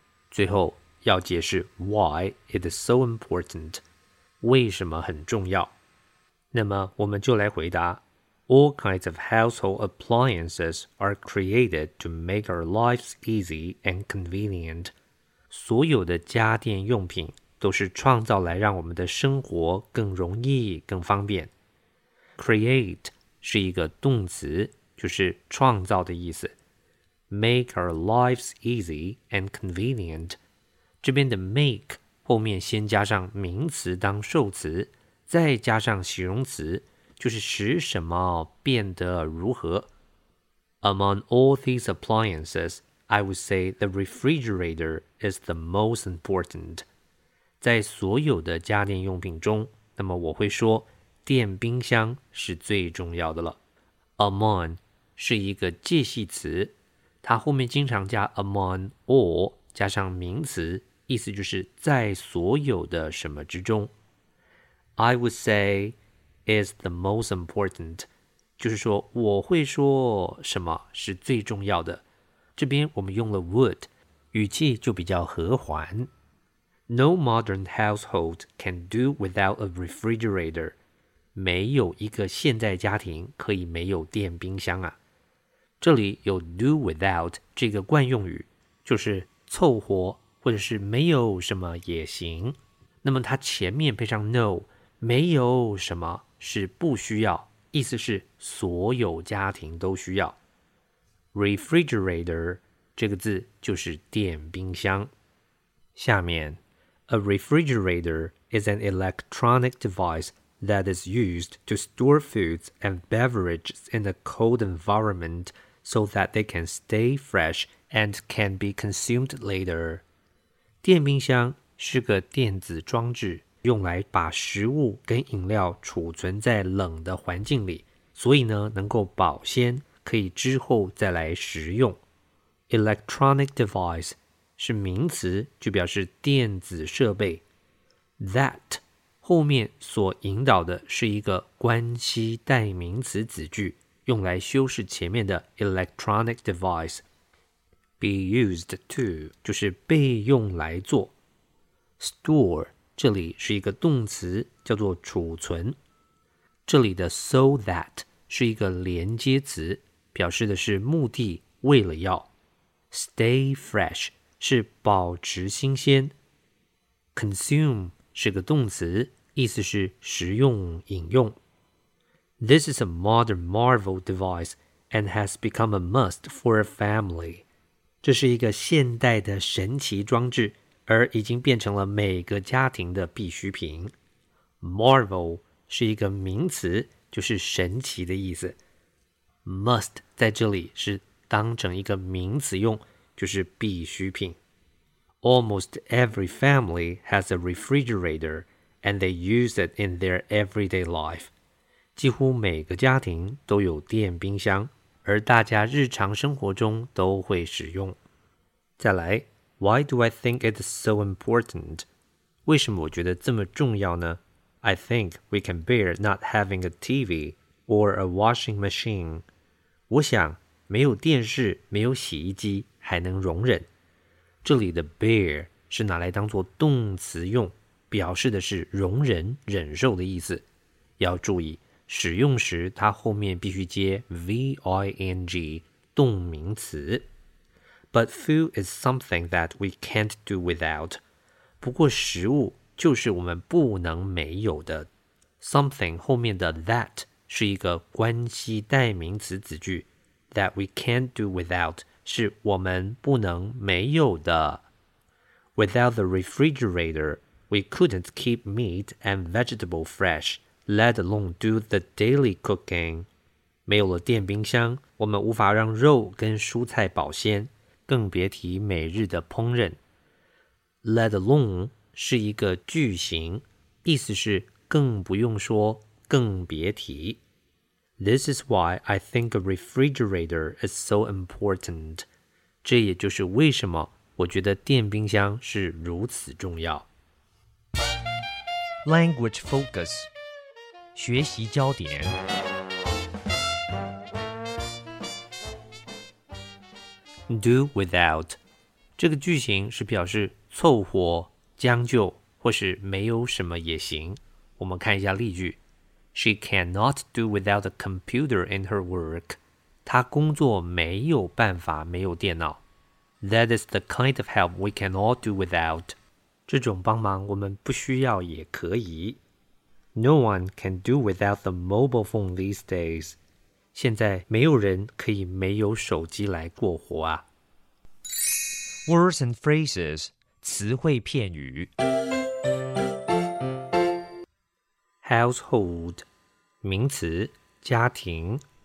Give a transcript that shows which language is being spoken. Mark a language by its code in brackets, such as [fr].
[zh] 最后要解释 [en] why it is so important, [zh] 为什么很重要。那么我们就来回答 [en] All kinds of household appliances are created to make our lives easy and convenient. [zh] 所有的家电用品都是创造来让我们的生活更容易更方便。 Create 是一个动词，就是创造的意思。 [en] Make our lives easy and convenient. [zh] 这边的 make 后面先加上名词当受词，再加上形容词，就是使什么变得如何。 [en] Among all these appliances, I would say the refrigerator is the most important. [zh] 在所有的家电用品中，那么我会说电冰箱是最重要的了。 Among 是一个介系词，它后面经常加 among all 加上名词。意思就是在所有的什么之中。 [en] I would say is the most important. [zh] 就是说我会说什么是最重要的。这边我们用了 would, 语气就比较和缓。 [en] No modern household can do without a refrigerator. [zh] 没有一个现代家庭可以没有电冰箱啊。这里有 do without 这个惯用语，就是凑合或者是没有什么也行，那么它前面配上 no, 没有什么是不需要，意思是所有家庭都需要。 Refrigerator 这个字就是电冰箱。 [en] 下面 A refrigerator is an electronic device that is used to store foods and beverages in a cold environment so that they can stay fresh and can be consumed later. [zh] 电冰箱是个电子装置，用来把食物跟饮料储存在冷的环境里，所以呢，能够保鲜，可以之后再来食用。 Electronic device 是名词，就表示电子设备。That 后面所引导的是一个关系代名词子句，用来修饰前面的 electronic device。 Be used to 就是被用来做。 Store 这里是一个动词，叫做储存。这里的 so that 是一个连接词，表示的是目的，为了要。 Stay fresh 是保持新鲜。 Consume 是个动词，意思是食用、饮用。 [en] This is a modern marvel device and has become a must for a family. [zh] 这是一个现代的神奇装置，而已经变成了每个家庭的必需品。 Marvel 是一个名词，就是神奇的意思。 Must 在这里是当成一个名词用，就是必需品。 [en] Almost every family has a refrigerator. And they use it in their everyday life. [zh] 几乎每个家庭都有电冰箱，而大家日常生活中都会使用。再来， [en] Why do I think it's so important? [zh] 为什么我觉得这么重要呢？ [en] I think we can bear not having a TV or a washing machine. [zh] 我想没有电视，没有洗衣机还能容忍。这里的 bear 是拿来当做动词用，表示的是容忍、忍受的意思。要注意，使用时它后面必须接 V-I-N-G, 动名词。 [en] But food is something that we can't do without. [zh] 不过食物就是我们不能没有的。 Something 后面的 that 是一个关系代名词子句。 [en] That we can't do without [zh] 是我们不能没有的。 [en] Without the refrigerator,We couldn't keep meat and vegetable fresh, let alone do the daily cooking. [zh] 没有了电冰箱，我们无法让肉跟蔬菜保鲜，更别提每日的烹饪。 Let alone 是一个句型，意思是更不用说，更别提。 [en] This is why I think a refrigerator is so important. [zh] 这也就是为什么我觉得电冰箱是如此重要。 [en] Language focus, 学习焦点。 [zh] Do without, 这个句型是表示凑合、将就或是没有什么也行。我们看一下例句。 [en] She cannot do without a computer in her work. [zh] 她工作没有办法没有电脑。 [en] That is the kind of help we can all do without. [zh] 这种帮忙我们不需要也可以。 [en] No one can do without the mobile phone these days. [zh] 现在没有人可以没有手机来过活啊。 [en] Words and phrases, 词汇片语。 [zh] Household, 名词，家庭。